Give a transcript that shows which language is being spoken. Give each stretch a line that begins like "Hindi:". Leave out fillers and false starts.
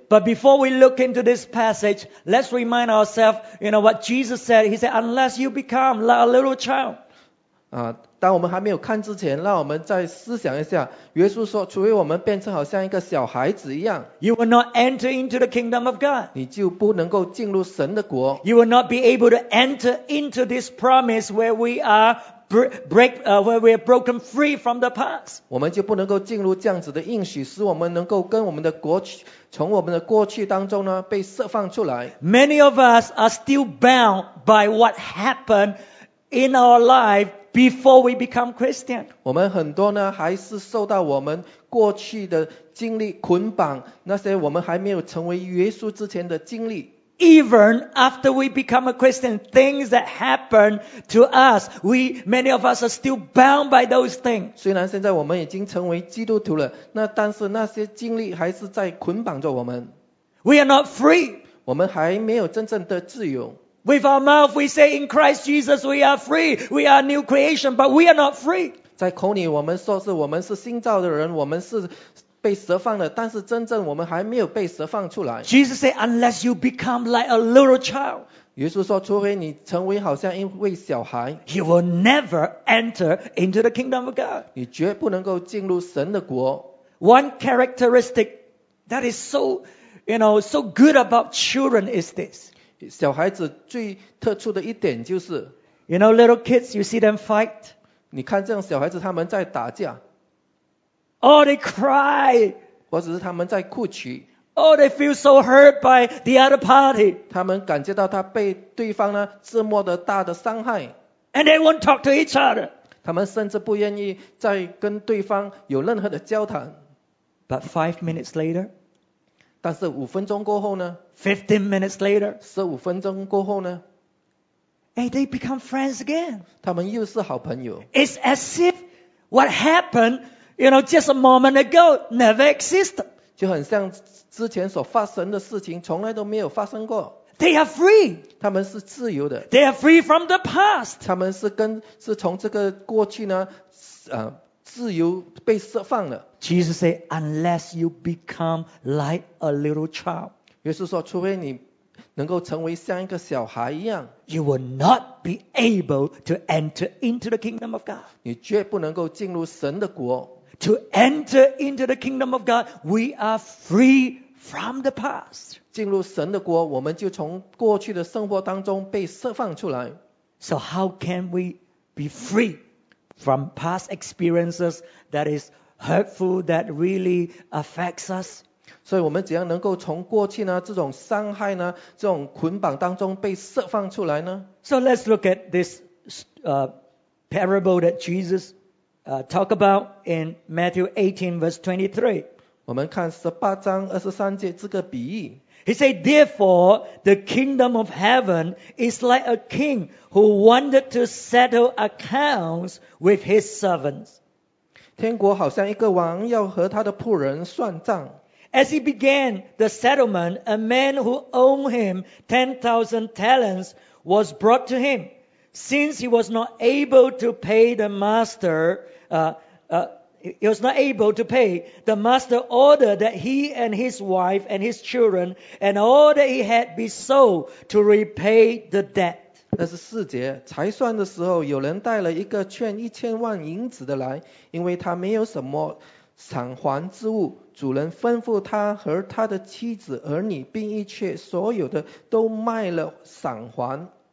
English: But before we look into this passage, let's remind ourselves, you know, what Jesus said. He said, unless you become like a little child.
Chinese: 当我们还没有看之前，让我们再思想一下。耶稣说，除非我们变成好像一个小孩子一样，
English: You will not enter into the kingdom of God.
Chinese: 你就不能够进入神的国。
English: You will not be able to enter into this promise where we are where we are broken free from the past.
Chinese: 我们就不能够进入这样子的应许，使我们能够跟我们的国去，从我们的过去当中呢被释放出来。
English: Many of us are still bound by what happened in our life. Before we become Christian,
Chinese: 我们很多呢还是受到我们过去的经历捆绑，那些我们还没有成为耶稣之前的经历。
English: Even after we become a Christian, things that happen to us, many of us are still bound by those things.
Chinese: 虽然现在我们已经成为基督徒了，那但是那些经历还是在捆绑着我们。
English: We are not free.
Chinese: 我们还没有真正的自由。
English: With our mouth, we say in Christ Jesus, we are free. We are a new creation, but we are not free.
Chinese: 在口里我们说是我们是新造的人，我们是被释放的，但是真正我们还没有被释放出来。
English: Jesus said, unless you become like a little child,
Chinese: 耶稣说，除非你成为好像一位小孩，
English: you will never enter into the kingdom of God.
Chinese: 你绝不能够进入神的国。
English: One characteristic that is so, you know, so good about children is this.
Chinese: 小孩子最特殊的一点就是
English: You know little kids, you see them fight.
Chinese: 你看这样小孩子他们在打架。
English: Oh, they cry.
Chinese: 或者是他们在哭泣。
English: Oh, they feel so hurt by the other party.
Chinese: 他们感觉到他被对方呢这么的大的伤害。
English: And they won't talk to each other.
Chinese: 他们甚至不愿意再跟对方有任何的交谈。
English: But 5 minutes later,
Chinese: 但是五分钟过后呢
English: ？15 minutes later,
Chinese: 十五分钟过后呢
English: ？Hey, they become friends again.
Chinese: 他们又是好朋友。
English: It's as if what happened, you know, just a moment ago never existed.
Chinese: 就很像之前所发生的事情从来都没有发生过。
English: They are free.
Chinese: 他们是自由的。
English: They are free from the past.
Chinese: 他们是从这个过去呢，自由被释放了。
English: Jesus said, "Unless you become like a little child."
Chinese: 耶稣说，除非你能够成为像一个小孩一样
English: ，You will not be able to enter into the kingdom of God.
Chinese: 你绝不能够进入神的国。
English: To enter into the kingdom of God, we are free. From the past,
Chinese: 进入神的国，我们就从过去的生活当中被释放出来。
English: So how can we be free from past experiences that is hurtful that really affects us?
Chinese: 所以我们怎样能够从过去呢这种伤害呢这种捆绑当中被释放出来呢
English: ？So let's look at this parable that Jesus talked about in Matthew 18 verse 23.
Chinese: 我们看十八章二十三节这个比喻。
English: He said, "Therefore, the kingdom of heaven is like a king who wanted to settle accounts with his servants."
Chinese: 天国好像一个王要和他的仆人算账。
English: As he began the settlement, a man who owed him 10,000 talents was brought to him. Since he was not able to pay the master, He was not able to pay. The master ordered that he and his wife and his children and all that he had be sold to repay the debt.
Chinese: 那是四节，财算的时候，有人带了一个欠1,000,000银子的来，因为他没有什么偿还之物。主人吩咐他和他的妻子、儿女，并一切所有的都卖了偿还。